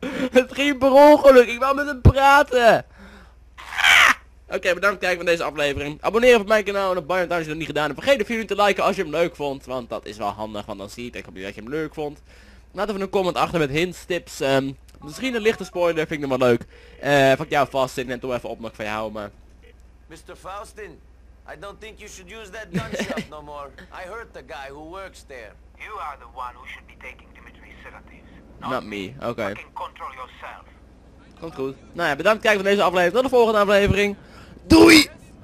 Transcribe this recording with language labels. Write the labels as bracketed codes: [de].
[nl] Het ging per ongeluk. Ik wou met hem praten. Oké, bedankt voor het kijken van deze aflevering. Abonneer op mijn kanaal en op Bayern Town als je dat niet gedaan hebt. Vergeet de video te liken als je hem leuk vond. Want dat is wel handig, want dan zie ik op je dat je hem leuk vond. Laat even een comment achter met hints, tips. Misschien een lichte spoiler, vind ik hem wel leuk. Vak jou vast, zit en toch even op, nog van jou, maar... [en] Mr. Faustin. I don't think you should use that gunshot no more. I hurt the guy who works there. You are the one who should be taking Dimitri's sedatives. Not me, okay. Fucking control yourself. [nl] Komt goed. Nou ja, bedankt voor het kijken van deze aflevering. Tot de volgende aflevering. Doei!